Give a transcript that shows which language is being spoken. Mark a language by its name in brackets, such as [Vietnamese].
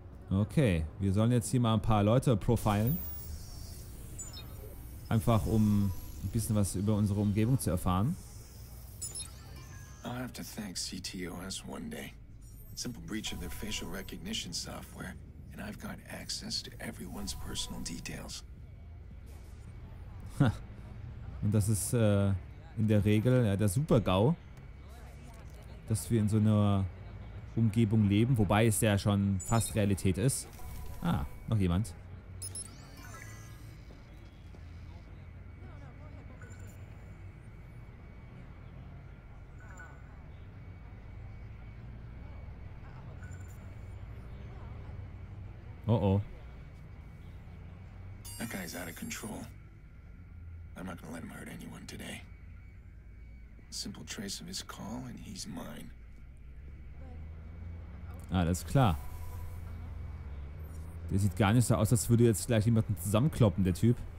[German] Okay, wir sollen jetzt hier mal ein paar Leute profilen. Einfach um ein bisschen was über unsere Umgebung zu erfahren. [English] I'll have to thank CTOS one day. Simple breach of their facial recognition software, and I've got access to everyone's personal details. [German] Und das ist in der Regel der Super-GAU, dass wir in so einer Umgebung leben, wobei es ja schon fast Realität ist. Ah, noch jemand. Oh oh. [English] That guy's out of control. I'm not gonna let him hurt anyone today. Simple trace of his call and he's mine. [German] Alles klar. Der sieht gar nicht so aus, als würde jetzt gleich jemanden zusammenkloppen, der Typ.